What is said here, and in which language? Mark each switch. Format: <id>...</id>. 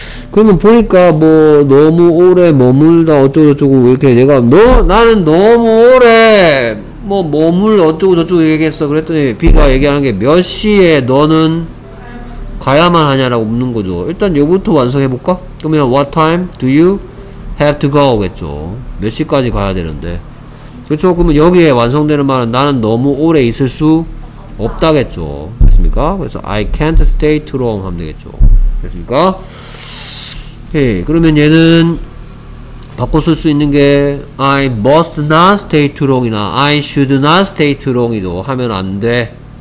<ko>그러면 보니까 뭐 너무 오래 머물다 어쩌고저쩌고 이렇게 얘가 나는 너무 오래 뭐 머물 어쩌고저쩌고 얘기했어. 그랬더니 B가 얘기하는 게 몇 시에 너는 가야만 하냐라고 묻는 거죠. 일단 요부터 완성해볼까? 그러면</ko> <en>what time do you have to go 겠죠.</en> <ko>몇 시까지 가야 되는데 그렇죠. 그러면 여기에 완성되는 말은 나는 너무 오래 있을 수 없다겠죠. 됐습니까? 그래서</ko> <en>I can't stay too long</en> <ko>하면 되겠죠. 됐습니까? 오케이. 그러면 얘는 바꿔 쓸 수 있는 게</ko> <en>I must not stay too long</en> <ko>이나</ko> <en>I should not stay too long</en> <ko>이죠. 하면 안 돼.</ko>